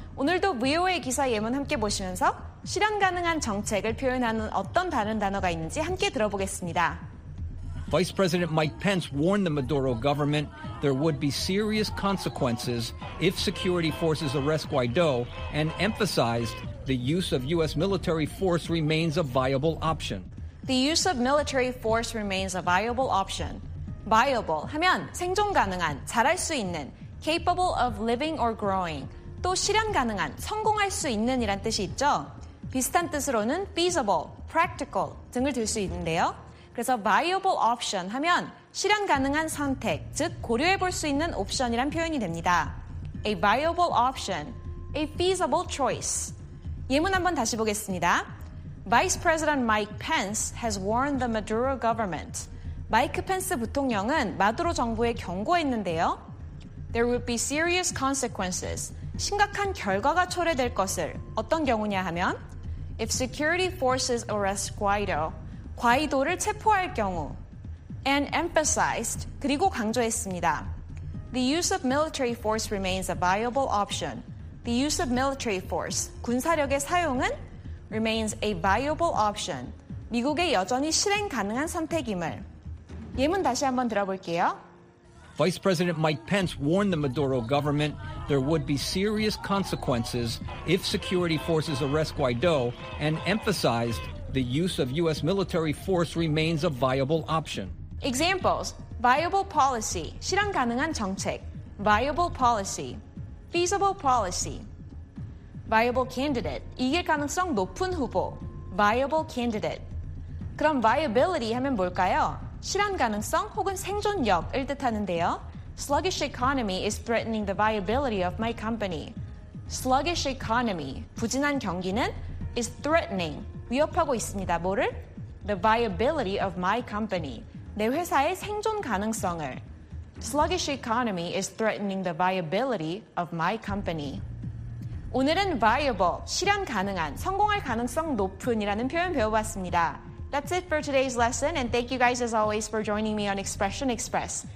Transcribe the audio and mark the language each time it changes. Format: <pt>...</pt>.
<ko>오늘도 VOA 기사 예문 함께 보시면서 실현 가능한 정책을 표현하는 어떤 다른 단어가 있는지 함께 들어보겠습니다.</ko> <en>Vice President Mike Pence warned the Maduro government there would be serious consequences if security forces arrest Guaido and emphasized the use of U.S. military force remains a viable option. The use of military force remains a viable option.</en> <ko>Viable 하면 생존 가능한, 잘할 수 있는,</ko> <en>capable of living or growing,</en> <ko>또 실현 가능한, 성공할 수 있는 이란 뜻이 있죠. 비슷한 뜻으로는 feasible, practical 등을 들 수 있는데요. 그래서 viable option 하면 실현 가능한 선택, 즉 고려해 볼 수 있는 옵션이란 표현이 됩니다.</ko> <en>A viable option, a feasible choice.</en> <ko>예문 한번 다시 보겠습니다.</ko> <en>Vice President Mike Pence has warned the Maduro government.</en> <ko>마이크 펜스 부통령은 마두로 정부에 경고했는데요.</ko> <en>There would be serious consequences.</en> <ko>심각한 결과가 초래될 것을. 어떤 경우냐 하면</ko> <en>If security forces arrest Guaido,</en> <ko>과이도를 체포할 경우</ko> <en>And emphasized,</en> <ko>그리고 강조했습니다.</ko> <en>The use of military force remains a viable option. The use of military force,</en> <ko>군사력의 사용은</ko> <en>remains a viable option.</en> <ko>미국의 여전히 실행 가능한 선택임을. 예문 다시 한번 들어볼게요.</ko> <en>Vice President Mike Pence warned the Maduro government there would be serious consequences if security forces arrest Guaido and emphasized the use of U.S. military force remains a viable option. Examples. Viable policy.</en> <ko>실현 가능한 정책.</ko> <en>Viable policy. Feasible policy. Viable candidate,</en> <ko>이길 가능성 높은 후보,</ko> <en>viable candidate.</en> <ko>그럼 viability 하면 뭘까요? 실현 가능성 혹은 생존력을 뜻하는데요.</ko> <en>Sluggish economy is threatening the viability of my company. Sluggish economy,</en> <ko>부진한 경기는</ko> <en>is threatening,</en> <ko>위협하고 있습니다. 뭐를?</ko> <en>The viability of my company,</en> <ko>내 회사의 생존 가능성을.</ko> <en>Sluggish economy is threatening the viability of my company.</en> <ko>오늘은 viable, 실현 가능한, 성공할 가능성 높은이라는 표현 배워봤습니다.</ko> <en>That's it for today's lesson, and thank you guys as always for joining me on Expression Express.</en>